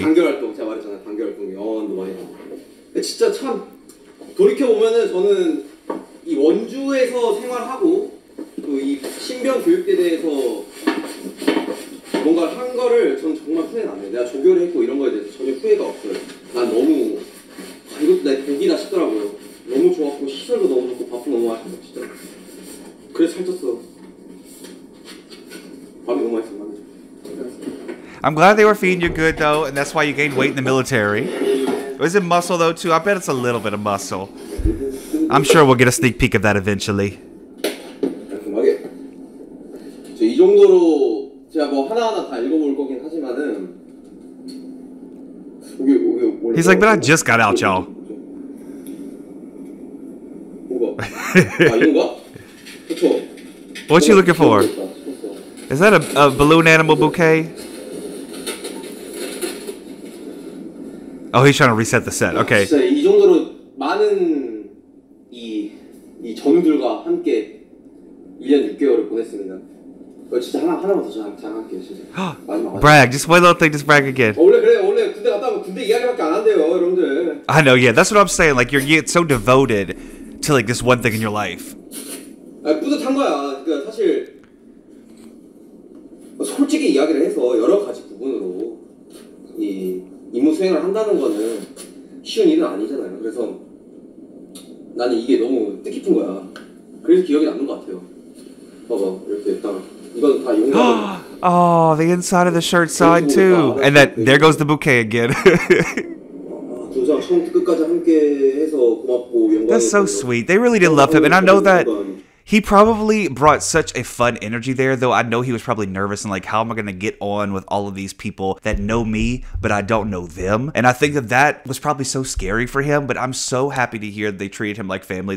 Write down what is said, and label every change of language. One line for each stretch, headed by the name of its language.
Korean: 단결 활동 제가 말했잖아요. 단결 활동 영원도 많이 하고. 진짜 참 돌이켜 보면은 저는 이 원주에서 생활하고 또 이 신병 교육대 대해서 뭔가 한 거를 저는 정말 후회는 안 해요. 내가 조교를 했고 이런 거에 대해서 전혀 후회가 없어요. 난 너무 이것도 내 복이다 싶더라고요. 너무 좋았고 시설도 너무 좋고 밥도 너무 맛있고 진짜 그래서 살쪘어.
English: I'm glad they were feeding you good though, and that's why you gained weight in the military. Is it muscle though too? I bet it's a little bit of muscle. I'm sure we'll get a sneak peek of that eventually.
Korean: 깔끔하게. 저 이 정도로 제가 뭐 하나하나 다 읽어볼 거긴 하지만은 이게
English: He's like, but I just got out, y'all.
Korean: 뭐가? 아 이거가? 그렇죠.
English: What you looking for? Is that a balloon animal bouquet? Oh, he's trying to reset the set. Okay.
Korean: 진짜 이 정도로 많은 이 전우들과 함께 1년 6개월을 보냈습니다. 이거 진짜 하나만 더 자랑할게요. 진짜 마지막.
English: Brag. Just one little thing. Just brag again.
Korean: 원래 그래. 원래 군대 갔다 오면 군대 이야기밖에 안 한대요, 여러분들.
English: I know. Yeah, that's what I'm saying. Like you're so devoted to like this one thing in your life.
Korean: 아, 뿌듯한 거야. 그러니까 사실. 솔직히 이야기를 해서 여러 가지 부분으로 이 임무 수행을 한다는 거는 쉬운 일은 아니잖아요. 그래서 나는 이게 너무 뜻깊은 거야. 그래서 기억이 남는 것 같아요. 봐봐, 이렇게 일단 이건 다 용감.
English: Oh, the inside of the shirt side too. And that there goes the bouquet again.
Korean: 조상 처음부터 끝까지 함께해서 고맙고 영광.
English: That's so sweet. They really did love him, and I know that. He probably brought such a fun energy there, though I know he was probably nervous and like, how am I going to get on with all of these people that know me, but I don't know them? And I think that that was probably so scary for him, but I'm so happy to hear that they treated him like family.